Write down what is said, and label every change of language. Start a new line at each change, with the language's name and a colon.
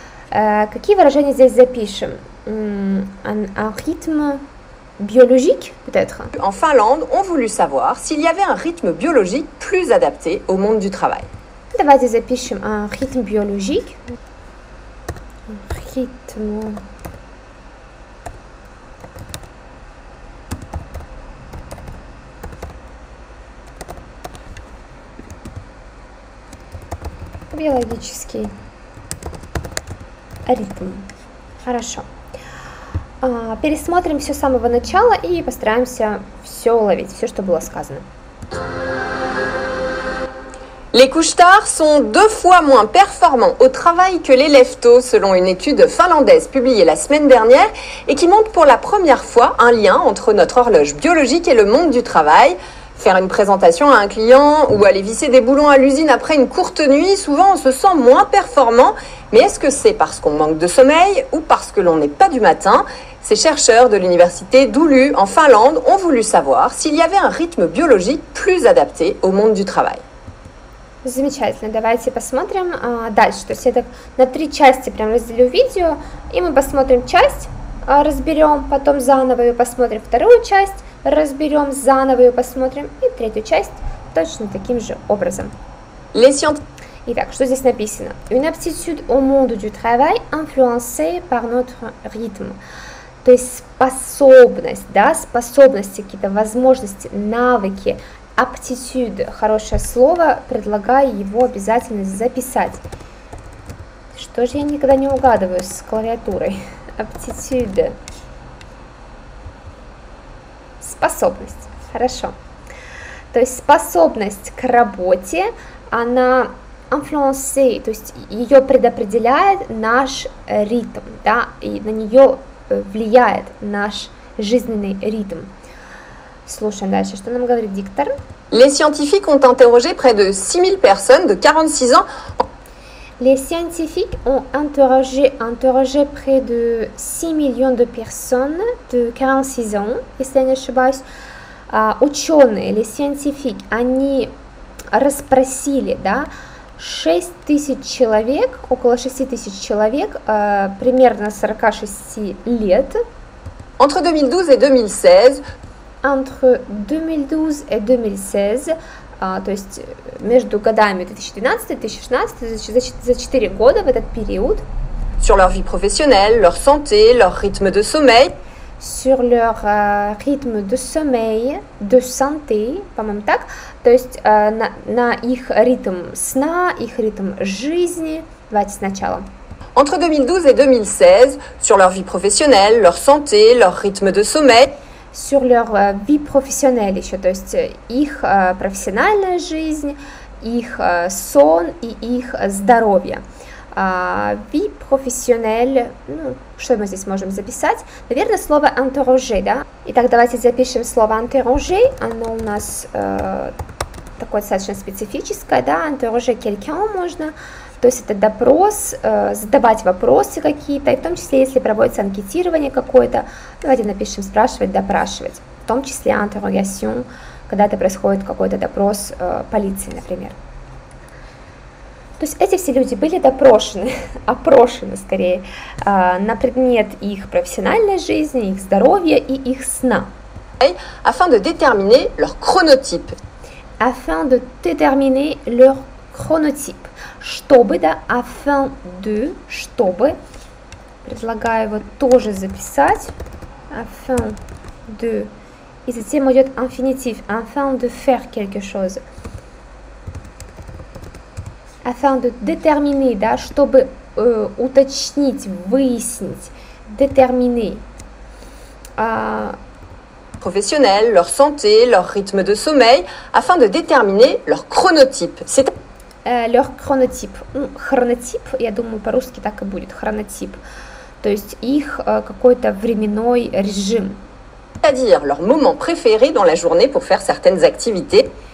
Russian: Какие выражения здесь запишем?
French: Un rythme biologique, peut-être. En Finlande, on voulu savoir s'il y avait un rythme biologique plus adapté au monde du travail.
Russian: Давайте запишем
French: un rythme biologique.
Russian: Rythme биологический ритм. Хорошо. Пересмотрим все с самого начала и постараемся все уловить, все, что было сказано.
French: Les couches tard sont deux fois moins performants au travail que les lève tôt, selon une étude finlandaise publiée la semaine dernière et qui montre pour la première fois un lien entre notre horloge biologique et le monde du travail. Faire une présentation à un client ou aller visser des boulons à l'usine après une courte nuit, souvent on se sent moins performant. Mais est-ce que c'est parce qu'on manque de sommeil ou parce que l'on n'est pas du matin? Ces chercheurs de l'université d'Oulu en Finlande ont voulu savoir s'il y avait un rythme biologique plus adapté au monde du travail.
Russian: Замечательно. Давайте посмотрим дальше. То есть я так на три части прям разделю видео, и мы посмотрим часть, разберем, потом заново ее посмотрим вторую часть, разберем заново ее посмотрим и третью часть точно таким же образом. Итак, что здесь написано?
French: Une aptitude au monde du travail influencée par notre rythme.
Russian: То есть способность, да, способности, какие-то возможности, навыки, aptitude, хорошее слово, предлагаю его обязательно записать. Что же я никогда не угадываю с клавиатурой?
French: Aptitude.
Russian: Способность. Хорошо. То есть способность к работе, она influencée, то есть ее предопределяет наш ритм, да, и на нее влияет наш жизненный ритм. Слушаем дальше, что нам говорит диктор.
French: Les scientifiques ont interrogé près de 6000 personnes de 46 ans. Les scientifiques ont interrogé près de 6 millions de personnes de 46 ans,
Russian: если я не ошибаюсь. Ученые,
French: les scientifiques,
Russian: они расспросили, да, 6 тысяч человек, около 6 тысяч человек, примерно 46 лет.
French: Entre 2012 et 2016. Entre 2012 et 2016.
Russian: То есть между годами 2012-2016, за 4 года в этот период.
French: Sur leur vie professionnelle, leur santé, leur rythme de sommeil. Sur leur rythme de sommeil, de santé,
Russian: по-моему так. То есть на их ритм сна, их ритм жизни. Давайте сначала.
French: Entre 2012 et 2016, sur leur vie professionnelle, leur santé, leur rythme de sommeil. Sur leur vie professionnelle
Russian: еще, то есть их профессиональная жизнь, их сон и их здоровье. Vie professionnelle, ну, что мы здесь можем записать? Наверное, слово interroger, да? Итак, давайте запишем слово interroger. Оно у нас такое достаточно специфическое, да?
French: Interroger quelqu'un
Russian: можно. То есть это допрос, задавать вопросы какие-то, и в том числе, если проводится анкетирование какое-то, давайте напишем «спрашивать», «допрашивать». В том числе «interrogation», когда это происходит какой-то допрос полиции, например. То есть эти все люди были допрошены, опрошены скорее, на предмет их профессиональной жизни, их здоровья и их сна.
French: Afin de déterminer leur chronotype. Afin de déterminer leur chronotype.
Russian: Чтобы, да,
French: afin de, чтобы,
Russian: предлагаю его тоже записать.
French: Afin de.
Russian: И затем идет инфинитив.
French: Afin de faire quelque chose. Afin de déterminer,
Russian: да, чтобы уточнить, выяснить.
French: Déterminer. Professionnels, leur santé, leur rythme de sommeil, afin de déterminer leur chronotype. C'est leur chronotype.
Russian: Chronotype, я думаю, по-русски так и будет.
French: Chronotype.
Russian: То есть их какой-то временной режим.
French: C'est-à-dire leur moment préféré dans la journée pour faire certaines activités.